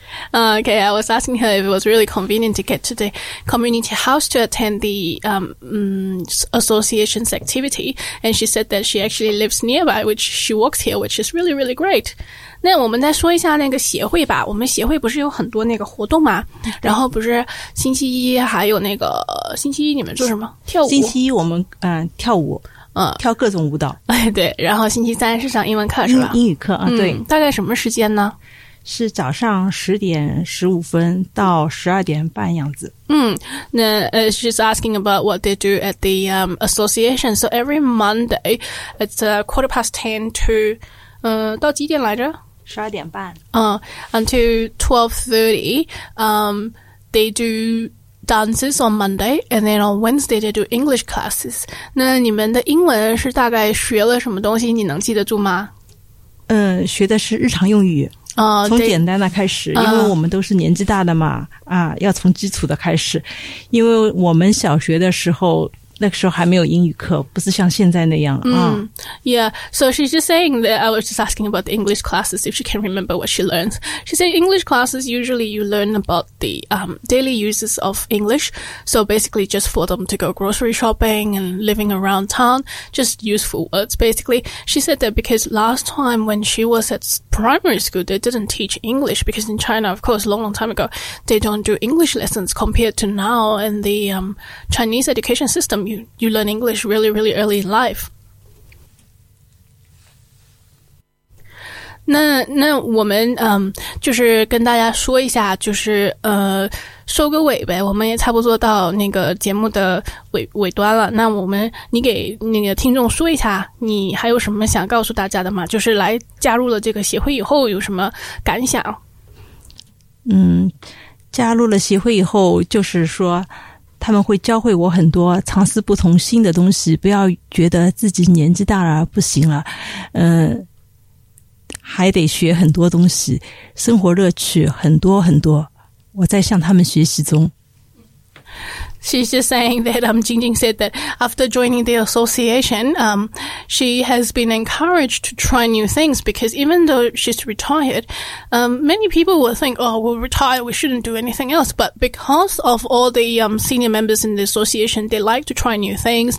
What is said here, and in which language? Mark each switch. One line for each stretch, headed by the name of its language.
English: Okay, I was asking her if it was really convenient to get to the community house to attend the association's activity, and she said that she actually lives nearby, which she walks here, which is really, really great.
Chinese: 那我们再说一下那个协会吧，我们协会不是有很多那个活动吗？然后不是星期一还有那个星期一你们做什么？跳舞。星期一我们跳舞。跳各种舞蹈。哎，对，然后星期三是上英文课是吧？英语课啊，对。大概什么时间呢？是早上10:15到12:30样子。
English: 那she's asking about what they do at the association. So every Monday, it's quarter past 10 to
Chinese: 到几点来着？ 12:30。
English: Until 12:30. They do. Dances on Monday, and then on Wednesday they do English classes.
Chinese: 那你们的英文是大概学了什么东西？你能记得住吗？学的是日常用语。从简单的开始，因为我们都是年纪大的嘛，要从基础的开始。因为我们小学的时候，那个时候还没有英语课，不是像现在那样。
English: Yeah. So she's just saying that I was just asking about the English classes if she can remember what she learns. She said English classes usually you learn about the daily uses of English. So basically just for them to go grocery shopping and living around town, just useful words basically. She said that because last time when she was at primary school, they didn't teach English because in China, of course, long time ago, they don't do English lessons compared to now in the Chinese education system. You learn English really, really early in life.
Chinese: 那我们就是跟大家说一下，就是收个尾呗。我们也差不多到那个节目的尾端了。那我们，你给那个听众说一下，你还有什么想告诉大家的吗？就是来加入了这个协会以后有什么感想？加入了协会以后，就是说。他们会教会我很多尝试不同新的东西，不要觉得自己年纪大了不行了，还得学很多东西，生活乐趣很多很多，我在向他们学习中。
English: She's just saying that Jingjing said that after joining the association, she has been encouraged to try new things because even though she's retired, many people will think, oh, we'll retire, we shouldn't do anything else. But because of all the senior members in the association, they like to try new things.